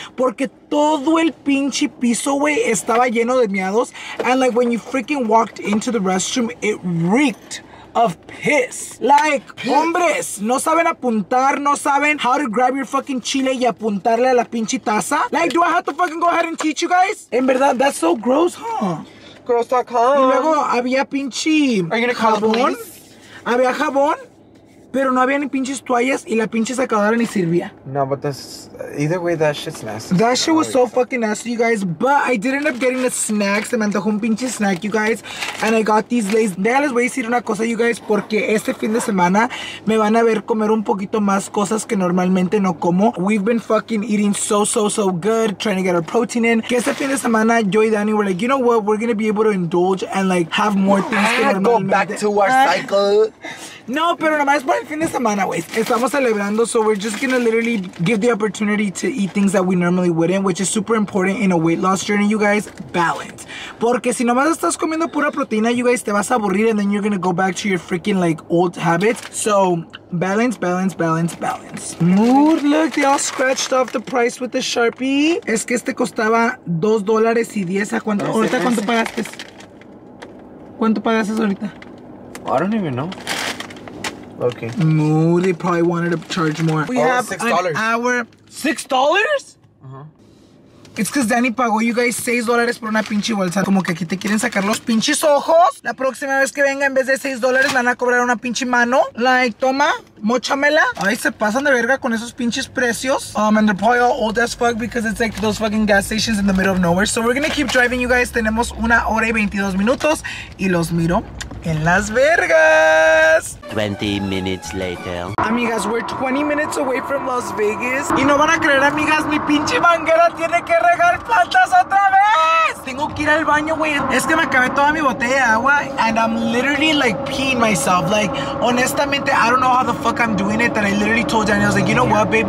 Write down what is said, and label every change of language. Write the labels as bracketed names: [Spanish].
[Spanish] Porque todo el pinche piso, güey, estaba lleno de miados. [English] And like when you freaking walked into the restroom, it reeked of piss. Like, piss. [Spanish] Hombres, no saben apuntar, no saben [English] how to grab your fucking [Spanish] chile y apuntarle a la pinche taza. [English] Like, do I have to fucking go ahead and teach you guys? [Spanish] En verdad, [English] that's so gross, huh? Gross.com. [Spanish] Y luego había pinche jabón. Había jabón, pero no había ni pinches toallas y la pinche secadora ni sirvía. [English] No, but that's, either way, that shit's nasty. That shit was so fucking nasty, you guys. But I did end up getting a snack. Se me antojó un pinche snack, you guys. And I got these Lays. Déjales, voy a decir una cosa, you guys, porque este fin de semana me van a ver comer un poquito más cosas que normalmente no como. We've been fucking eating so, so, so good, trying to get our protein in. [Spanish] Que este fin de semana, yo y Danny [English] were like, you know what, we're gonna be able to indulge and like have more things to normalmente. Go back to our cycle. [Spanish] No, pero nomás por el fin de semana, güey. Estamos celebrando, [English] so we're just gonna literally give the opportunity to eat things that we normally wouldn't, which is super important in a weight loss journey, you guys. Balance. [Spanish] Porque si nomás estás comiendo pura proteína, [English] you guys, [Spanish] te vas a aburrir, [English] and then you're gonna go back to your freaking, like, old habits. So, balance, balance, balance, balance. Mood, look, they all scratched off the price with the Sharpie. [Spanish] Es que este costaba $2.10. ¿A cuánto? ¿Ahorita cuánto pagaste? ¿Cuánto pagaste ahorita? [English] I don't even know. Okay. No, they probably wanted to charge more. We have $6. An hour. $6? Uh-huh. It's because Danny pagó, you guys, $6 [Spanish] por una pinche bolsa. Como que aquí te quieren sacar los pinches ojos. La próxima vez que venga, en vez de $6, van a cobrar una pinche mano. Like, toma, mochamela. Ay, se pasan de verga con esos pinches precios. [English] And they're probably all old as fuck because it's like those fucking gas stations in the middle of nowhere. So we're gonna keep driving, you guys. [Spanish] Tenemos una hora y 22 minutos. Y los miro en Las Vegas. [English] 20 minutes later. Amigas, we're 20 minutes away from Las Vegas. [Spanish] Y no van a creer, amigas, mi pinche manguera tiene que regar plantas otra vez. Tengo que ir al baño, güey. Es que me acabé toda mi botella de agua. [English] And I'm literally like peeing myself. Like, honestamente, I don't know how the fuck I'm doing it. That I literally told Danny, I was like, you know what, babe?